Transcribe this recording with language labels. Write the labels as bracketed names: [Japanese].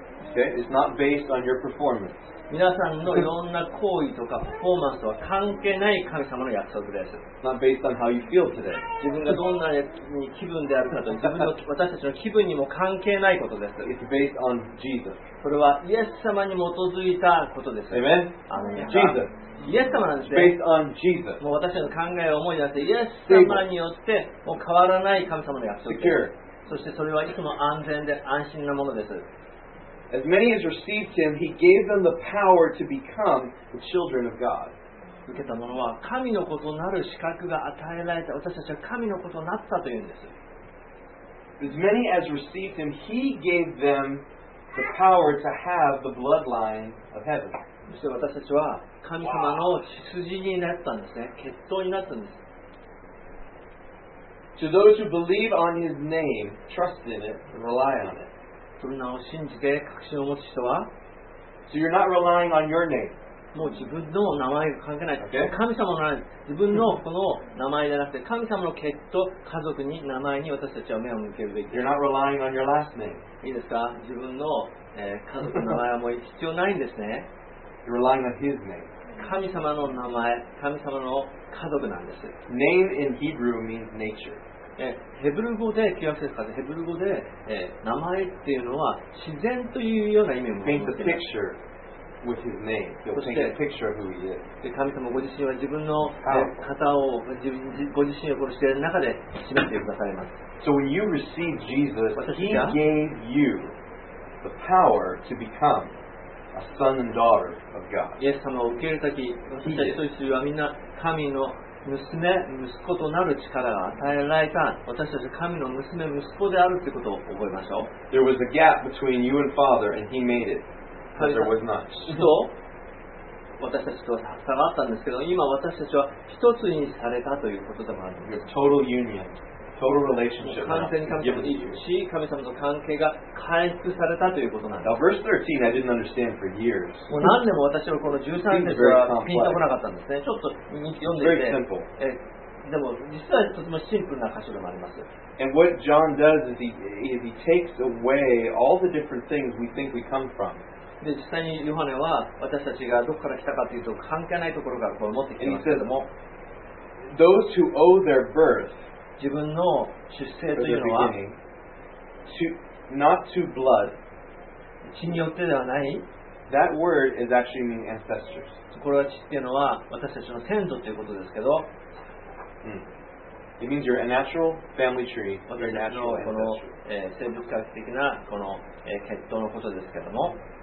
[English] Okay, it's not based on your performance. [Japanese] 皆さんのいろんな行為とかパフォーマンスとは関係ない神様の約束です。 [English] Not based on how you feel today. [Japanese] 自分がどんな気分であるかと、自分の私たちの気分にも関係ないことです。 [English] It's based on Jesus. [Japanese] それはイエス様に基づいたことです。 [English] Amen. Jesus. [Japanese] イエス様なんですね。 [English] Based on Jesus. [Japanese] もう私の考えを思い出して、イエス様によってもう変わらない神様の約束です。 [English] Secure. [Japanese] そしてそれはいつも安全で安心なものです。 [English] As many as received him, he gave them the power to become the children of God. [Japanese] 受けた者は神の子となる資格が与えられた。私たちは神の子となったというんです。 As many as received him, he gave them the power to have the bloodline of heaven. そして私たちは神様の血筋になったんですね。血統になったんです。 [English] To those who believe on his name, trust in it, and rely on it. [Japanese] その名を信じて確信を持つ人は、 [English] so、you're not relying on your name. [Japanese] もう自分の名前が関係ない、 [English] okay. [Japanese] 神様の名前、自分のこの名前じゃなくて神様の血と家族に名前に私たちは目を向けるべき。 [English] You're not relying on your last name. [Japanese] いいですか、自分の、家族の名前はもう必要ないんですね。 [English] You're relying on his name. [Japanese] 神様の名前、神様の家族なんです。 [English] Name in Hebrew means nature [Japanese] ヘブル語で、旧約聖書でヘブル語で、名前っていうのは自然というような意味を持っています。 [English] Paint a picture with his name. You'll paint a picture of who he is. [Japanese] で神様ご自身は自分の方を自分ご自身をこの自然の中で示してくださいます。 [English] So when you receive Jesus, he gave you the power to become a son and daughter of God. [Japanese] イエス様を受けるとき、私たち人種はみんな神の娘、息子となる力が与えられた。私たち神の娘、息子であるということを覚えましょう。 [English] There was a gap between you and Father, and He made it, but there was not. [Japanese] そう。私たちとは差があったんですけど、今私たちは一つにされたということでもあるんです。 [English] Your total union, total relationship. [Japanese] 完全に神様の一致、神様の関係が回復されたということなんです。 Now, verse 13, I didn't understand for years. もう何年も私はこの13節はピンとこなかったんですね。ちょっと読んでみて。 [English] Very simple. [Japanese] でも実はとてもシンプルな箇所でもあります。 [English] And what John does is he takes away all the different things we think we come from. [Japanese] で実際にヨハネは私たちがどこから来たかというと関係ないところからこう持ってきますけども。 [English] Those who owe their birth, [Japanese] 自分の出生というのは、 [English] Not to blood. [Japanese] 血によってではない。 [English] That word is actually meaning ancestors. [Japanese] これは血っていうのは私たちの先祖ということですけど。 [English] It means your natural family tree. Your natural [Japanese] この生物学的なこの血統のことですけども。